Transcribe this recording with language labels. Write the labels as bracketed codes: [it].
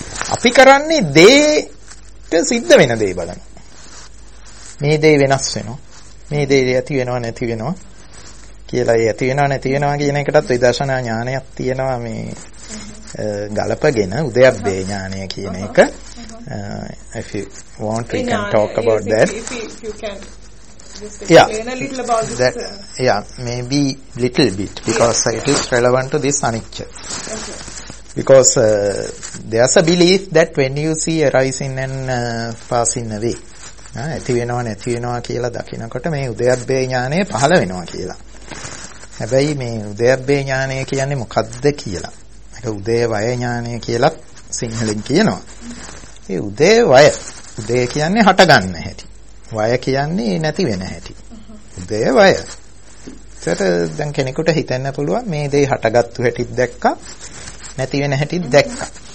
[si] අපි කරන්නේ දේට සිද්ධ වෙන දේ බලන. මේ දේ වෙනස් වෙනවා. මේ දේ ඇති වෙනවා නැති වෙනවා කියලා, ඒ ඇති වෙනවා නැති වෙනවා කියන එකටත් විදර්ශනා ඥානයක් තියෙනවා මේ ගලපගෙන උදයබ්බේ ඥානය කියන එක. [en] If you want we can talk about that. If you can just explain a little about this. Yeah, maybe little bit because it is relevant to this anicca. Because there's a belief that when you see arising and passing away, [si] ඇති වෙනවා නැති වෙනවා කියලා [en] දකිනකොට මේ උදයබ්බේ ඥානය පහළ වෙනවා කියලා. [si] හැබැයි මේ උදයබ්බේ ඥානය කියන්නේ මොකද්ද කියලා? ඒක උදේවය ඥානය කියලා සිංහලෙන් කියනවා. ඒ උදේවය, උදේ කියන්නේ හටගන්න හැටි. වය කියන්නේ නැති වෙන හැටි. උදේවය. ඒතර දැන් කෙනෙකුට හිතන්න පුළුවන් මේ දේ හටගත්තු හැටි දැක්කා, නැති වෙන හැටි දැක්කා.